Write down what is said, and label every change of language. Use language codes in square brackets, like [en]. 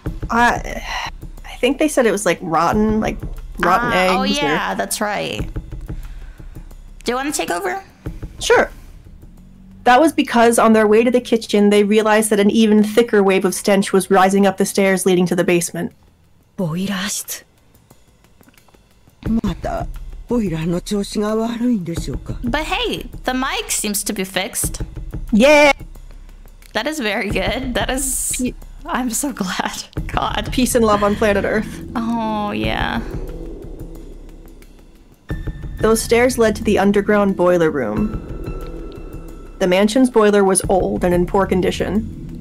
[en] I think they said it was like rotten eggs. Oh yeah, that's right. Do you want to take over? Sure. That was because on their way to the kitchen, they realized that an even thicker wave of stench was rising up the stairs leading to the basement. [ja] Boiler室? またボイラーの調子が悪いんでしょうか? [en] But hey, the mic seems to be fixed. Yeah! That is very good. That is... I'm so glad. God. Peace and love on planet Earth. Oh, yeah. Those stairs led to the underground boiler room. The mansion's boiler was old and in poor condition.